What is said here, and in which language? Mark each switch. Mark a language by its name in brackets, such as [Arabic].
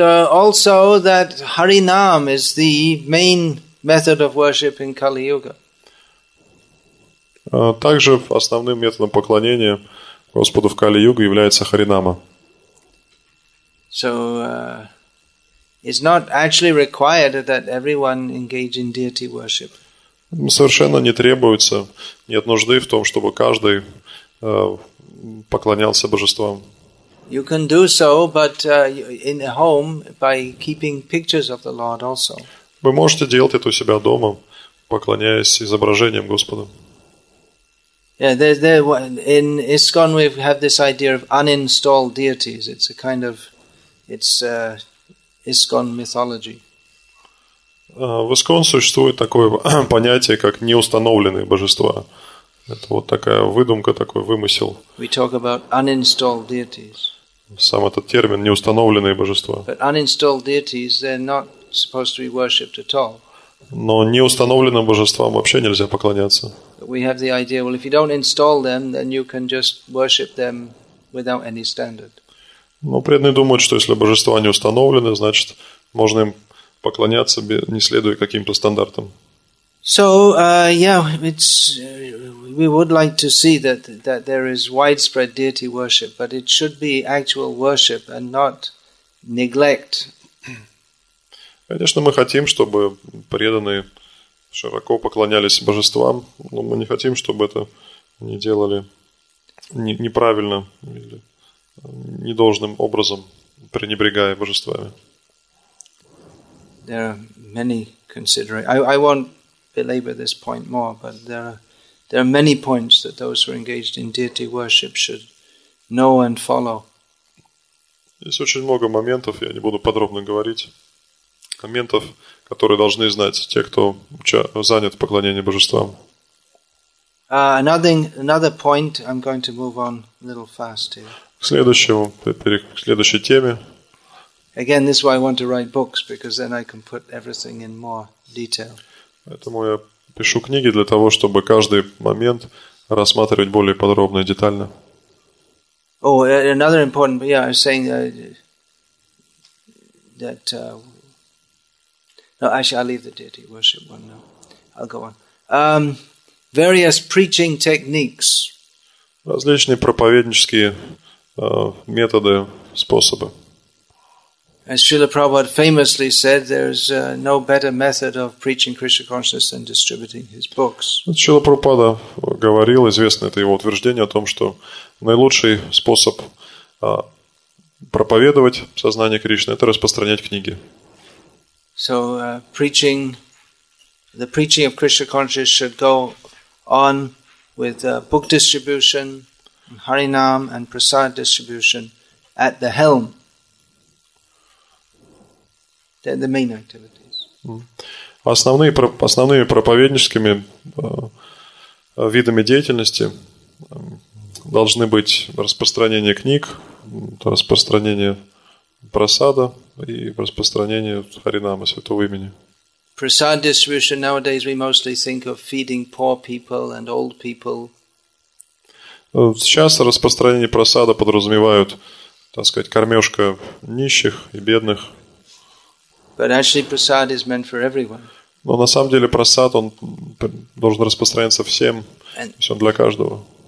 [English] Also that Harinam is the main method of worship in Kali Yuga. [Russian] Также основным методом поклонения Господу в Кали Юге является Харинама. [English] So it's not actually required that everyone engage in deity worship. [Russian] Совершенно не требуется, нет нужды в том, чтобы каждый поклонялся божествам. [English] You can do so, but in a home by keeping pictures of the Lord also. [Russian] Вы можете делать это у себя дома, поклоняясь изображениям Господа. [English] Yeah, there in ISKCON we have this idea of uninstalled deities. It's a kind of ISKCON mythology. [Russian] В ISKCON существует такое понятие, как неустановленные божества. Это вот такая выдумка, такой вымысел. [English] We talk about uninstalled deities. [Russian] Сам этот термин неустановленные божества. [English] But uninstalled deities, they're not supposed to be worshipped at all. [Russian] Но неустановленным божествам вообще нельзя поклоняться. [English] We have the idea, well, if you don't install them, then you can just worship them without any standard. [Russian] Но преданные думают, что если божества не установлены, значит, можно им поклоняться, не следуя каким-то стандартам. [English] So, we would like to see that there is widespread deity worship, but it should be actual worship and not neglect. [Russian] Конечно, мы хотим, чтобы преданные широко поклонялись божествам, но мы не хотим, чтобы это они делали неправильно или недолжным образом, пренебрегая божествами. [English] There are many considerations. I won't belabor this point more, but there are many points that those who are engaged in deity worship should know and follow. [Russian] Есть очень много моментов, я не буду подробно говорить, моментов, которые должны знать те, кто занят поклонением божествам. [English] Another point, I'm going to move on a little fast here. [Russian] К следующей теме. [English] Again, this is why I want to write books, because then I can put everything in more detail. [Russian] Поэтому я пишу книги для того, чтобы каждый момент рассматривать более подробно и детально. [English] Oh, another important, yeah, I was saying that. No, actually, I'll leave the deity worship one now. I'll go on. Various preaching techniques. [Russian] Различные проповеднические методы, способы. [English] As Srila Prabhupada famously said, there is no better method of preaching Krishna consciousness than distributing his books. [Russian] Srila Prabhupada говорил, известно это его утверждение о том, что наилучший способ проповедовать сознание Кришны – это распространять книги. [English] So the preaching of Krishna consciousness should go on with book distribution, Harinam and Prasad distribution at the helm. The main activities. [Russian] Основными проповедническими видами деятельности должны быть распространение книг, распространение прасада и распространение харинама, святого имени. [English] Prasad distribution nowadays we mostly think of feeding poor people and old people. [Russian] Сейчас распространение прасада подразумевают, так сказать, кормежка нищих и бедных. [English] But actually, prasad is meant for everyone. [Russian] Но на самом деле прасад он должен распространяться всем, всем для каждого.